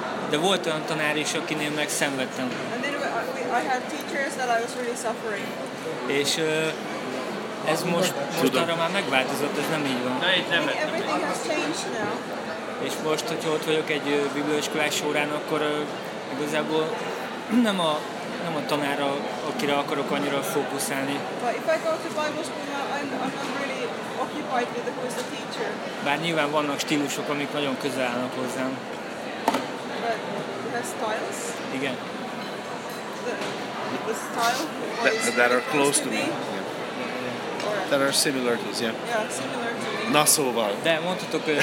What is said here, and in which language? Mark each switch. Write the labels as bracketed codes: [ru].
[hu] De volt olyan tanár is, akinél meg szenvedtem. [en] And then I had teachers that I was really suffering. [hu] És ez most arra már megváltozott, ez nem így van. Na, itt nem vettem. [en] Everything has changed now. [hu] És most, hogyha ott vagyok egy bibliaiskolás órán, akkor igazából nem a tanára, akire akarok annyira fókuszálni. [en] But if I go to Bible school, I'm not really occupied with who is the teacher. [hu] Bár nyilván vannak stílusok, amik nagyon közel állnak hozzám. [en] But the styles? [hu] Igen. [en] The style? That are close to me. That are similar to me. Yeah, similar to me. [hu] Na szóval. De mondhatok...